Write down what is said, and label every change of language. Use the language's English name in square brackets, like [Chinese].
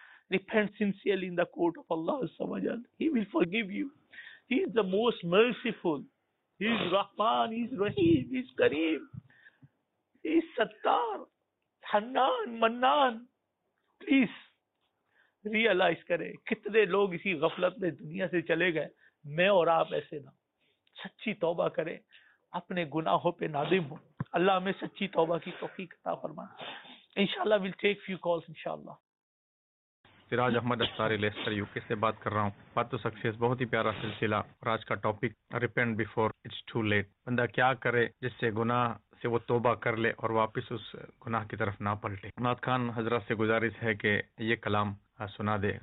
[English] Repent sincerely in the court of Allah Subhanahu wa Taala. He will forgive you. He is the most merciful. He is Rahman, He is Rahim, He is Kareem. He is Sattar, Hanan, Mannan. Please realize [Urdu] کریں کتنے لوگ اسی غفلت میں دنیا سے چلے گئے, میں اور آپ ایسے نہ. سچی توبہ کریں, اپنے گناہوں پہ نادم ہوں. اللہ ہمیں سچی توبہ کی توفیق عطا فرمائے. [English] انشاءاللہ we'll take few calls انشاءاللہ. [Urdu] سراج احمد اختاری لیسٹر یو کے سے بات کر رہا ہوں. پاتو سکسیس بہت ہی پیارا سلسلہ, اور آج کا topic [English] Repent before it's too late. [Urdu] بندہ کیا کرے جس سے گناہ سے وہ توبہ کر لے اور واپس اس گناہ کی طرف نہ پلٹے. نات خان حضرت سے گزارش ہے کہ یہ کلام سنا دے.